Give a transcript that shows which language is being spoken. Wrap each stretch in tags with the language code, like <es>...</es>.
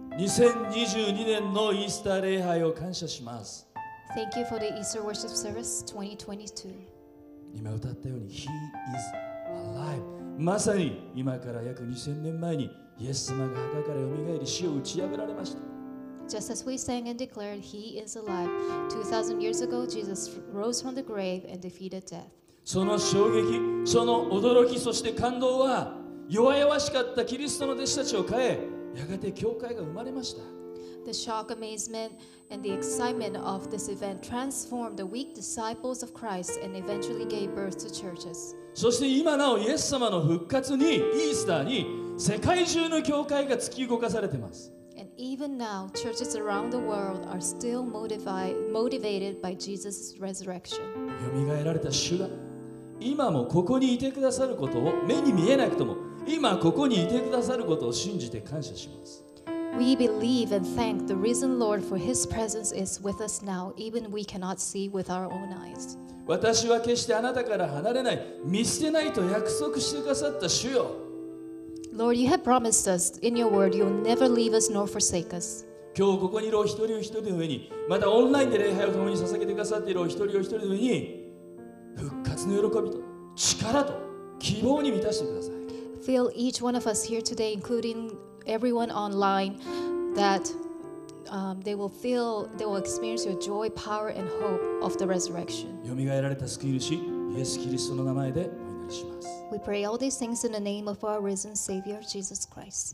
<ja>2022年のイースター礼拝を感謝します。</ja> <en>Thank you for the Easter worship service 2022.</en> <ja>今歌ったように</ja> <en>He is alive.</en> <ja>まさに今から約2000年前にイエス様が墓から蘇り死を打ち破られました。</ja> <en>Just as we sang and declared, He is alive. 2,000 years ago, Jesus rose from the grave and defeated death.</en> <ja>その衝撃、その驚き、そして感動は弱々しかったキリストの弟子たちを変え、やがて教会が生まれました。</ja> <en>The shock, amazement, and the excitement of this event transformed the weak disciples of Christ and eventually gave birth to churches.</en> <ja>そして今なおイエス様の復活に、イースターに、世界中の教会が突き動かされています。</ja> <en>And even now, churches around the world are still motivated by Jesus' resurrection.</en> <ja>蘇られた主が今もここにいてくださることを目に見えなくとも今ここにいてくださることを信じて感謝します。</ja> <en>We believe and thank the risen Lord for His presence is with us now, even we cannot see with our own eyes.</en> <ja>私は決してあなたから離れない、見捨てないと約束してくださった主よ。</ja> <en>Lord, you have promised us in your word you'll never leave us nor forsake us.</en> <ja>今日ここにいるお一人お一人の上に、またオンラインで礼拝を共に捧げてくださっているお一人お一人の上に、復活の喜びと力と希望に満たしてください。</ja> <en>Fill each one of us here today, including everyone online, that they will feel, they will experience your joy, power, and hope of the resurrection.</en> <ja>よみがえられた救い主、イエス・キリストの名前でお祈りします。</ja> <en>We pray all these things in the name of our risen Savior, Jesus Christ.</en>